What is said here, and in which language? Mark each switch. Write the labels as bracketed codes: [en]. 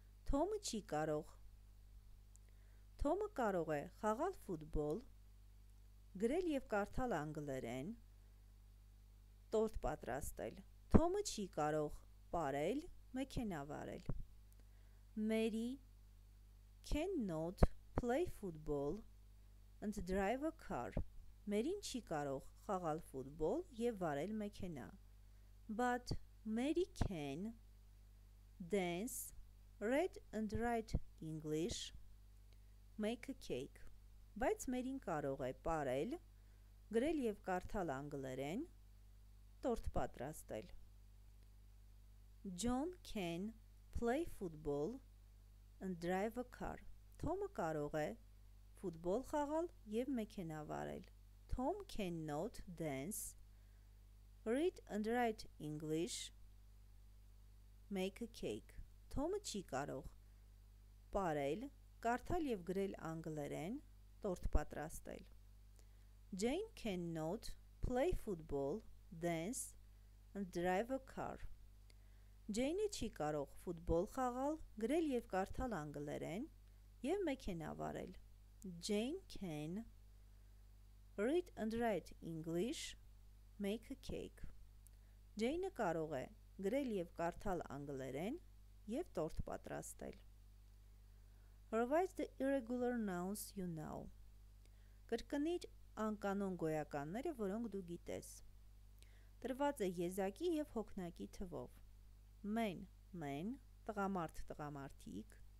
[hy] Թոմը չի կարող. Թոմը կարող է խաղալ ֆուտբոլ, գրել եւ կարդալ անգլերեն, տորտ պատրաստել. Թոմը չի կարող պարել, մեքենա վարել. [en] Mary cannot play football and drive a car. [hy] Մերին չի կարող խաղալ ֆուտբոլ եւ վարել մեքենա. [en] But Mary can dance, read and write English, make a cake. [hy] Բայց Մերին կարող է պարել, գրել եւ կարդալ անգլերեն, տորտ պատրաստել. [en] John can play football and drive a car. [hy] Թոմը կարող է ֆուտբոլ խաղալ եւ մեքենա վարել. [en] Tom cannot dance, read and write English, make a cake. [hy] Թոմը չի կարող պարել, կարդալ եւ գրել անգլերեն, տորտ պատրաստել. [en] Jane cannot play football, dance, and drive a car. [hy] Jane-ը չի կարող ֆուտբոլ խաղալ, գրել և կարդալ անգլերեն և մեքենա վարել. [en] Jane can read and write English, make a cake. [hy] Jane-ը կարող է գրել և կարդալ անգլերեն և տորտ պատրաստել. [en] Revise the irregular nouns you know. [hy] Կրկնիր անկանոն գոյականները, որոնք դու գիտես. Տրված է եզակի և հոգնակի թվով. Men, men, տղամարդ, տղամարդիկ.